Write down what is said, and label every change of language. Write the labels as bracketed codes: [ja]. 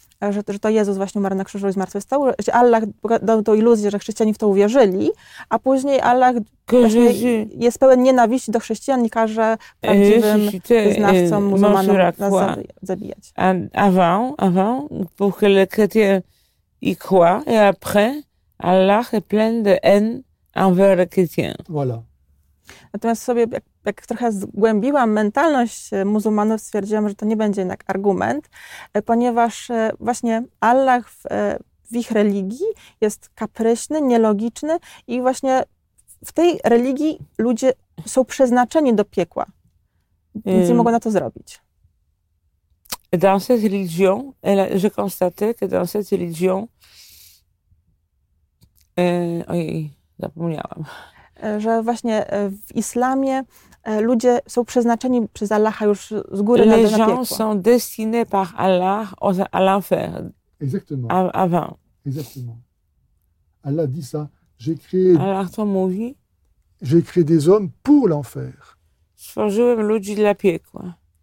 [pl] Że to Jezus właśnie umarł na krzyżu i zmartwychwstał. Że Allah dał tą iluzję, że chrześcijanie w to uwierzyli, a później Allah jest pełen nienawiści do chrześcijan i każe prawdziwym wyznawcom muzułmanom nas zabijać. [fr] Avant, pour que les chrétiens y croient, et après, Allah est plein de haine envers les chrétiens. Voilà. [pl] Natomiast sobie, jak trochę zgłębiłam mentalność muzułmanów, stwierdziłam, że to nie będzie jednak argument, ponieważ właśnie Allah w ich religii jest kapryśny, nielogiczny i właśnie w tej religii ludzie są przeznaczeni do piekła. Więc nie mogą na to zrobić. [fr] Dans cette religion, je constatais que dans cette religion, [pl] ojej, zapomniałam. Że właśnie w islamie ludzie są przeznaczeni przez Allaha już z góry [fr] les [pl] na piekło. [fr] Les gens sont destinés par Allah à l'enfer. Exactement. Avant. Exactement. Allah dit ça. J'ai créé. [pl] Allah to mówi. [fr] J'ai créé des hommes pour l'enfer. [pl] Stworzyłem ludzi dla piekła.